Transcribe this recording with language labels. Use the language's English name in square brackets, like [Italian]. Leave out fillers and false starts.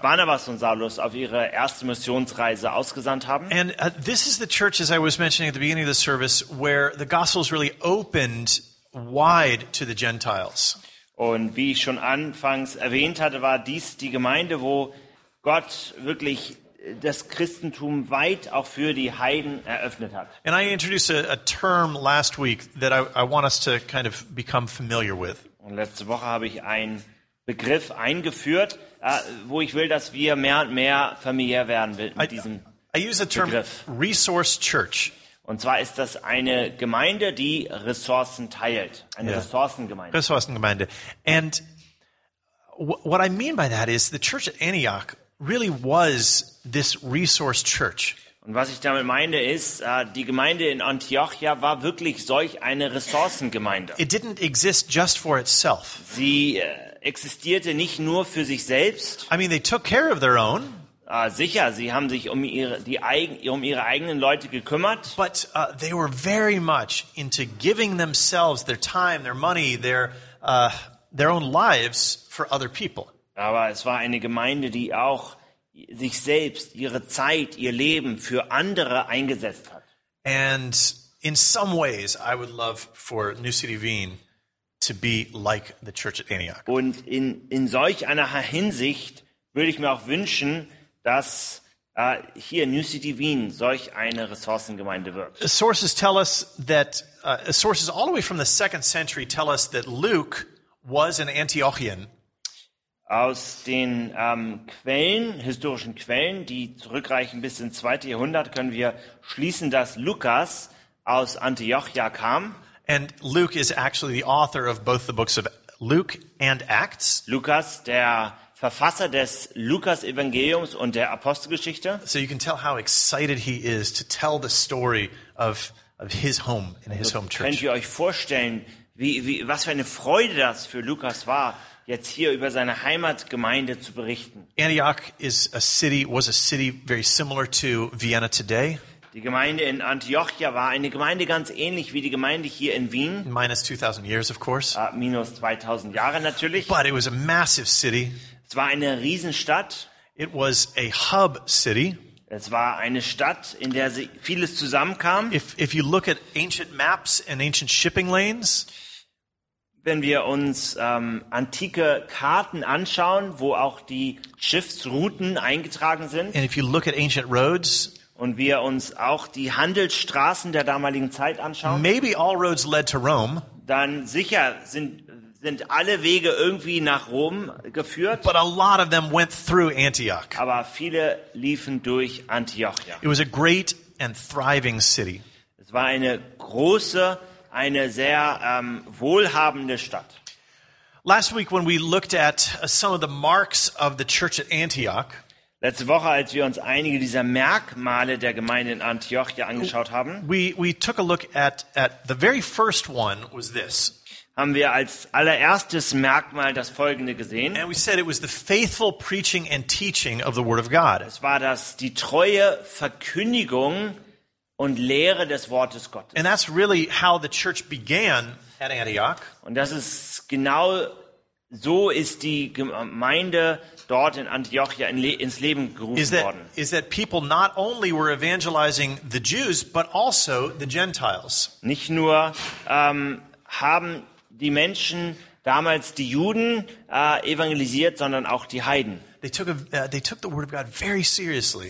[German] Barnabas und Saulus auf ihre erste Missionsreise ausgesandt haben. [English] And this is the church, as I was mentioning at the beginning of the service, where the gospel is really opened wide to the Gentiles. [German] Und wie ich schon anfangs erwähnt hatte, war dies die Gemeinde, wo Gott wirklich das Christentum weit auch für die Heiden eröffnet hat. [English] And I introduced a term last week that I want us to kind of become familiar with. [German] Und letzte Woche habe ich einen Begriff eingeführt, wo ich will, dass wir mehr und mehr familiär werden mit diesem [English] I use the term [German] Begriff. [English] Resource Church. [German] Und zwar ist das eine Gemeinde, die Ressourcen teilt. Eine yeah. Ressourcengemeinde. Ressourcengemeinde. [English] And what I mean by that is, the church at Antioch really was this resource church. [German] Und was ich damit meine ist, die Gemeinde in Antiochia war wirklich solch eine Ressourcengemeinde. [English] It didn't exist just for itself. [German] Sie existierte nicht nur für sich selbst. [English] I mean, they took care of their own. [German] Sicher, sie haben sich um ihre eigenen Leute gekümmert. [English] But they were very much into giving themselves their time, their money, their own lives for other people. [German] Aber es war eine Gemeinde, die auch sich selbst, ihre Zeit, ihr Leben für andere eingesetzt hat. [English] And in some ways, I would love for New City Wien to be like the church at Antioch. [German] Und in solch einer Hinsicht würde ich mir auch wünschen, dass hier New City Wien solch eine Ressourcengemeinde wird. [English] Sources tell us that sources all the way from the second century tell us that Luke was an Antiochian. [German] Aus den historischen Quellen, die zurückreichen bis ins 2. Jahrhundert, können wir schließen, dass Lukas aus Antiochia kam. [English] And Luke is actually the author of both the books of Luke and Acts. [German] Lukas, der Verfasser des Lukas-Evangeliums und der Apostelgeschichte. [English] So you can tell how excited he is to tell the story of his home in his home church. [German] Könnt ihr euch vorstellen, was für eine Freude das für Lukas war, jetzt hier über seine Heimatgemeinde zu berichten. [English] Antioch was a city very similar to Vienna today. [German] Die Gemeinde in Antiochia war eine Gemeinde ganz ähnlich wie die Gemeinde hier in Wien. [English] Minus 2000 years, of course. [German] Minus 2000 Jahre natürlich. [English] But it was a massive city. [German] Es war eine Riesenstadt. [English] It was a hub city. [German] Es war eine Stadt, in der vieles zusammenkam. [English] If you look at ancient maps and ancient shipping lanes, [German] wenn wir uns antike Karten anschauen, wo auch die Schiffsrouten eingetragen sind, [English] and if you look at ancient roads, [German] und wir uns auch die Handelsstraßen der damaligen Zeit anschauen, [English] maybe all roads led to Rome, [German] dann sicher sind alle Wege irgendwie nach Rom geführt, [English] but a lot of them went through Antioch. [German] Aber viele liefen durch Antiochia. [English] It was a great and thriving city. [German] Es war eine große, eine sehr wohlhabende Stadt. [English] Last week when we looked at some of the marks of the church at Antioch, [German] letzte Woche, als wir uns einige dieser Merkmale der Gemeinde in Antiochia angeschaut haben, [English] we took a look at the very first one was this. [German] Haben wir als allererstes Merkmal das Folgende gesehen. [English] And we said it was the faithful preaching and teaching of the Word of God. [German] Es war das die treue Verkündigung und Lehre des Wortes Gottes. [English] And that's really how the church began at Antioch. [German] Und das ist genau so ist die Gemeinde dort in Antiochia ins Leben gerufen worden. [English] Is that people not only were evangelizing the Jews, but also the Gentiles. [German] Nicht nur haben die Menschen damals die Juden evangelisiert, sondern auch die Heiden. [English] They took the word of God very seriously.